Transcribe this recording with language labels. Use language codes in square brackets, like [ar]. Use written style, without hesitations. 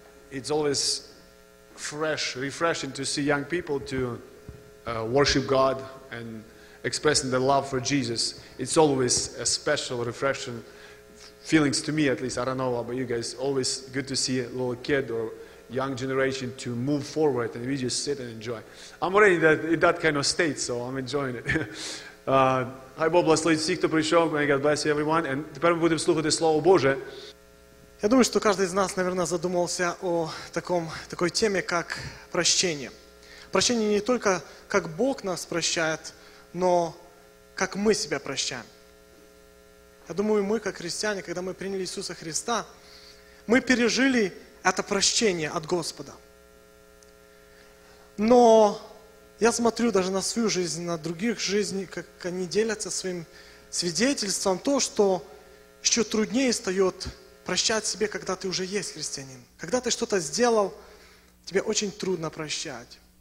[en] It's always fresh, refreshing to see young people to worship God and expressing their love for Jesus. It's always a special refreshing feelings to me, at least. I don't know about you guys. Always good to see a little kid or young generation to move forward, and we just sit and enjoy. I'm already in that kind of state, so I'm enjoying it. [uk] Хай Бог благословить всіх, хто прийшов. [en] May God bless you, everyone. [uk] And тепер ми будемо слухати Слово Боже. Я думаю, що кожен з нас, наверное, задумався о такій темі, як прощення. Прощення не тільки, як Бог нас прощає, но як ми себе прощаємо. Я думаю, ми, як християни, коли ми прийняли Ісуса Христа, ми пережили це прощення від Господа. [ru] Но я смотрю даже на свою жизнь, на других жизней, как они делятся своим свидетельством, то, что еще труднее стает прощать себе, когда ты уже есть христианин. Когда ты что-то сделал, тебе очень трудно прощать.